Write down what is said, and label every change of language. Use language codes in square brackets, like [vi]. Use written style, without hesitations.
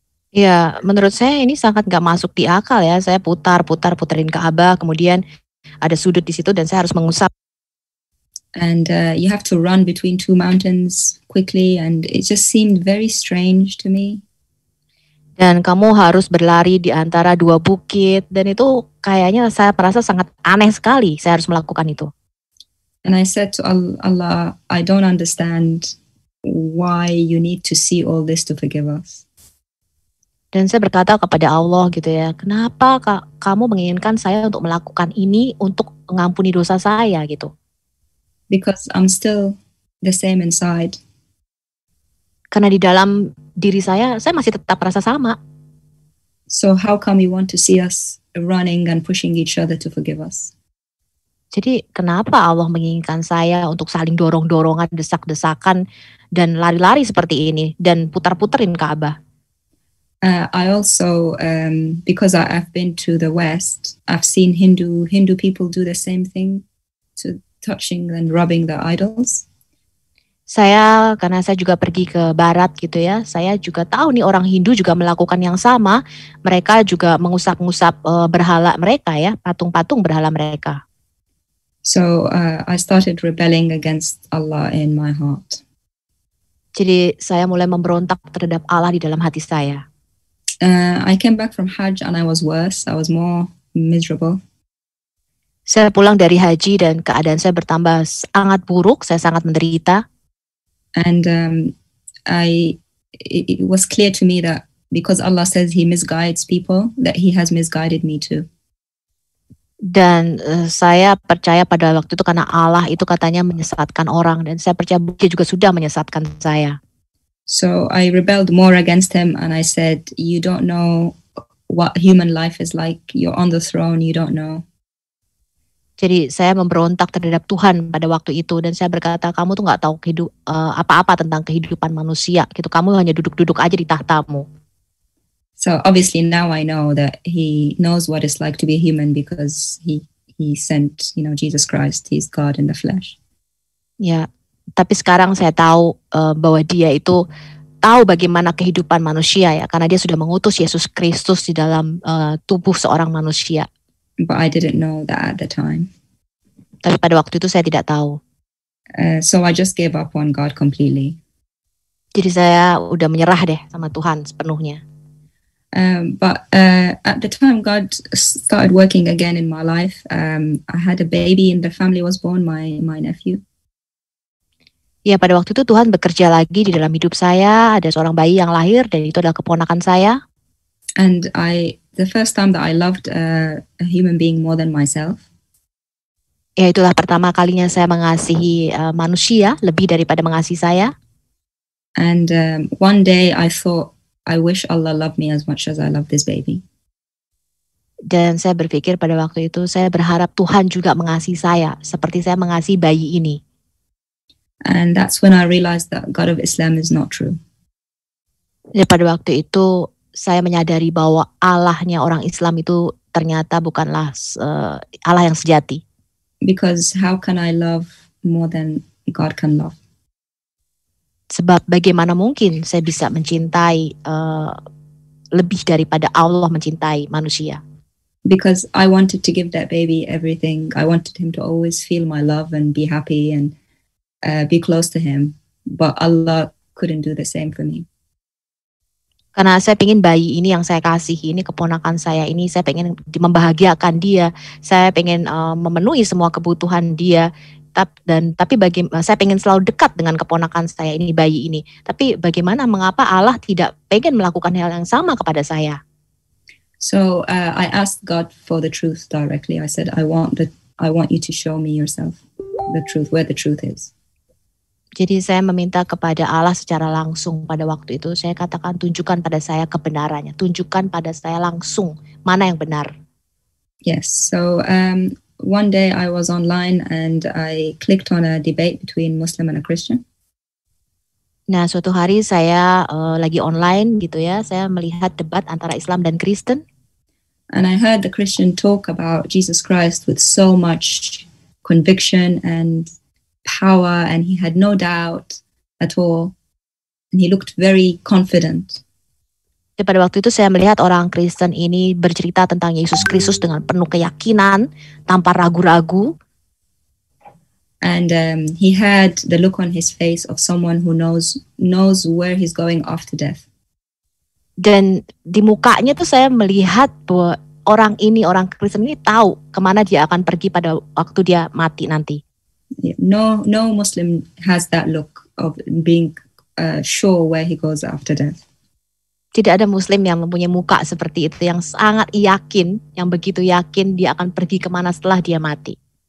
[id] Ya, menurut saya ini sangat gak masuk di akal ya. Saya putar-putar puterin Ka'bah, kemudian ada sudut di situ dan saya harus mengusap. [en] And you have to run between two mountains quickly and it just seemed very strange to me. [id] Dan kamu harus berlari di antara dua bukit dan itu kayaknya saya merasa sangat aneh sekali saya harus melakukan itu. [en] And I said to Allah, I don't understand why you need to see all this to forgive us. [id] Dan saya berkata kepada Allah gitu ya, kenapa kamu menginginkan saya untuk melakukan ini untuk mengampuni dosa saya gitu? [en] Because I'm still the same inside. [id] Karena di dalam diri saya masih tetap merasa sama. [en] So how come you want to see us running and pushing each other to forgive us? [id] Jadi kenapa Allah menginginkan saya untuk saling dorong-dorongan, desak-desakan, dan lari-lari seperti ini, dan putar-puterin Ka'bah? [en] I also because I've been to the West, I've seen Hindu people do the same thing to touching and rubbing the idols. [id] Saya karena saya juga pergi ke Barat gitu ya, saya juga tahu nih orang Hindu juga melakukan yang sama. Mereka juga mengusap-ngusap berhala mereka ya, patung-patung berhala mereka. [en] So I started rebelling against Allah in my heart. [id] Jadi saya mulai memberontak terhadap Allah di dalam hati saya. [en] I came back from Hajj and I was worse. I was more miserable. [id] Saya pulang dari haji dan keadaan saya bertambah sangat buruk. Saya sangat menderita. [en] And it was clear to me that because Allah says He misguides people, that He has misguided me too. [id] Dan saya percaya pada waktu itu karena Allah itu katanya menyesatkan orang dan saya percaya dia juga sudah menyesatkan saya. [en] So I rebelled more against him and I said, you don't know what human life is like. You're on the throne, you don't know. [id] Jadi saya memberontak terhadap Tuhan pada waktu itu dan saya berkata, kamu tuh gak tahu apa-apa tentang kehidupan manusia. Gitu. Kamu hanya duduk-duduk aja di tahtamu. [en] So obviously now I know that he knows what it's like to be human because he sent, you know, Jesus Christ, he's God in the flesh. Ya. Yeah. [id] Tapi sekarang saya tahu bahwa dia itu tahu bagaimana kehidupan manusia ya, karena dia sudah mengutus Yesus Kristus di dalam tubuh seorang manusia. [en] But I didn't know that at the time. [id] Tapi pada waktu itu saya tidak tahu. [en] So I just gave up on God completely. [id] Jadi saya udah menyerah deh sama Tuhan sepenuhnya. [en] But at the time God started working again in my life. I had a baby and the family was born, my nephew. [id] Ya, pada waktu itu Tuhan bekerja lagi di dalam hidup saya. Ada seorang bayi yang lahir dan itu adalah keponakan saya. [en] And the first time that I loved a human being more than myself. [id] Ya, itulah pertama kalinya saya mengasihi manusia lebih daripada mengasihi saya. [en] And one day I thought, I wish Allah loved me as much as I love this baby. [id] Dan saya berpikir pada waktu itu, saya berharap Tuhan juga mengasihi saya seperti saya mengasihi bayi ini. [en] And that's when I realized that God of Islam is not true. [id] Ya, pada waktu itu saya menyadari bahwa Allahnya orang Islam itu ternyata bukanlah Allah yang sejati. [en] Because how can I love more than God can love? [id] Sebab bagaimana mungkin saya bisa mencintai lebih daripada Allah mencintai manusia? [en] Because I wanted to give that baby everything. I wanted him to always feel my love and be happy and be close to him, but Allah couldn't do the same for me. [id] Karena saya pengen bayi ini yang saya kasihi, ini keponakan saya ini, saya pengen membahagiakan dia, saya pengen memenuhi semua kebutuhan dia. Saya pengen selalu dekat dengan keponakan saya ini, bayi ini. Tapi bagaimana, mengapa Allah tidak pengen melakukan hal yang sama kepada saya? [en] So I asked God for the truth directly. I said I want you to show me yourself the truth, where the truth is. [id] Jadi saya meminta kepada Allah secara langsung pada waktu itu. Saya katakan, tunjukkan pada saya kebenarannya. Tunjukkan pada saya langsung mana yang benar. Yes. [en] So one day I was online and I clicked on a debate between Muslim and a Christian. [id] Nah, suatu hari saya lagi online gitu ya. Saya melihat debat antara Islam dan Kristen. [en] And I heard the Christian talk about Jesus Christ with so much conviction and power, and he had no doubt at all, and he looked very confident. [id] Jadi pada waktu itu saya melihat orang Kristen ini bercerita tentang Yesus Kristus dengan penuh keyakinan, tanpa ragu-ragu. [en] And he had the look on his face of someone who knows where he's going after death. [id] Dan di mukanya tuh saya melihat bahwa orang ini, orang Kristen ini tahu kemana dia akan pergi pada waktu dia mati nanti. [en] No Muslim has that look of being sure where he goes after death. [id] Tidak ada Muslim yang mempunyai muka seperti itu, yang sangat yakin, yang begitu yakin dia akan pergi kemana setelah dia mati.